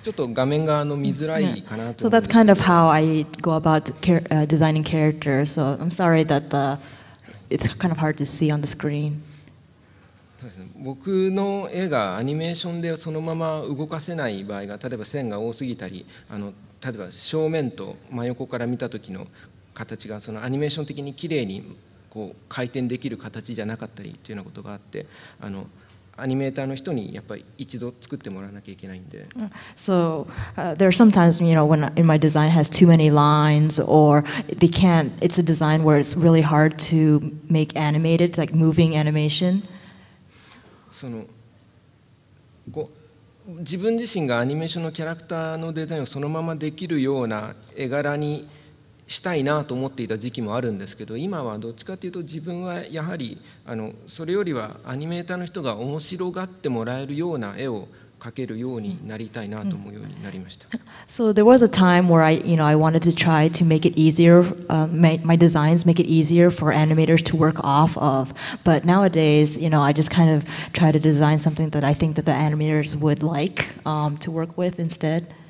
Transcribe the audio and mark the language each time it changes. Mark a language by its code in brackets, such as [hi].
[ja] ちょっと画面が見づらいかなと思います。 [en] So that's kind of how I go about designing characters. So I'm sorry that the it's kind of hard to see on the screen. [ja] 僕の絵がアニメーションでそのまま動かせない場合が例えば線が多すぎたり例えば正面と真横から見た時の形がそのアニメーション的にきれいにこう回転できる形じゃなかったりというようなことがあってアニメーターの人にやっぱり一度作ってもらわなきゃいけないんで。 [en] So, there are sometimes, you know, when in my design has too many lines or they can't, it's a design where it's really hard to make animated, like moving animation. [ja] こう自分自身がアニメーションのキャラクターのデザインをそのままできるような絵柄にしたいなと思っていた時期もあるんですけど今はどっちかというと自分はやはりそれよりはアニメーターの人が面白がってもらえるような絵を描けるようになりたいなと思うようになりました。 [en] So there was a time where I, you know, I wanted to try to make it easier, my designs make it easier for animators to work off of. But nowadays, you know, I just kind of try to design something that I think that the animators would like, to work with instead.